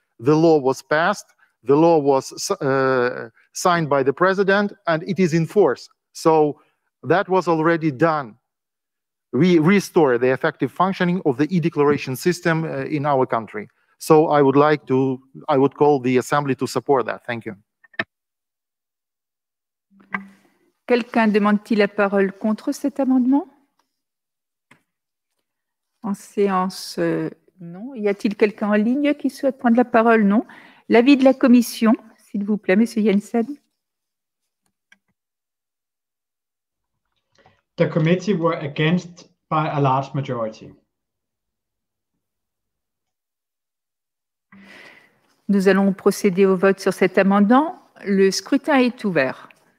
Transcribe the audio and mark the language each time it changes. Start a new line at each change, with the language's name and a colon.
English: The law was passed, the law was signed by the president, and it is in force. So that was already done. We restored the effective functioning of the e-declaration system in our country. So I would call the Assembly to support that. Thank you.
French: Quelqu'un demande-t-il la parole contre cet amendement? En séance, non. Y a-t-il quelqu'un en ligne qui souhaite prendre la parole? Non. L'avis de la Commission, s'il vous plaît, Monsieur Jensen.
English: The committee were against by a large majority.
French: Nous allons procéder au vote sur cet amendement. Le scrutin est ouvert.